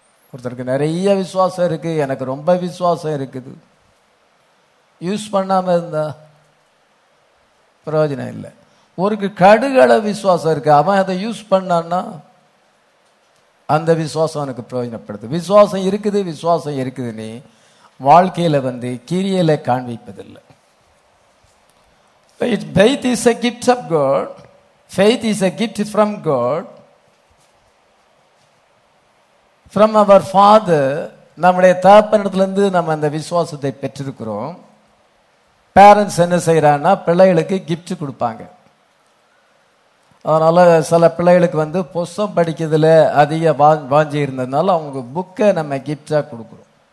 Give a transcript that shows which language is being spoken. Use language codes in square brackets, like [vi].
[ta] ஒருத்தருக்கு நிறைய விசுவாசம் இருக்கு, எனக்கு ரொம்ப விசுவாசம் இருக்குது, யூஸ் பண்ணாம இருந்தா பிரயோஜனம் இல்லை. ஒருக்கு கடுகள விசுவாசம் இருக்கு, அவன் அதை யூஸ் பண்ணான்னா அந்த விசுவாசம் எனக்கு பிரயோஜனப்படுது. விசுவாசம் இருக்குது, விசுவாசம் இருக்குதுன்னு வாழ்க்கையில வந்து கிரியையில காண்பிப்பதில்லை. [en] It faith is a gift of God. Faith is a gift from God, from our Father. [ta] நம்முடைய தாப்பனிடத்துலேருந்து நம்ம அந்த விசுவாசத்தை பெற்றிருக்கிறோம். பேரண்ட்ஸ் என்ன செய்கிறான்னா பிள்ளைகளுக்கு கிஃப்ட் கொடுப்பாங்க. அதனால் சில பிள்ளைகளுக்கு வந்து புஸ்தம் படிக்கிறதுல அதிக வாஞ்சி இருந்ததுனால அவங்க புக்கை நம்ம கிஃப்டாக கொடுக்குறோம்.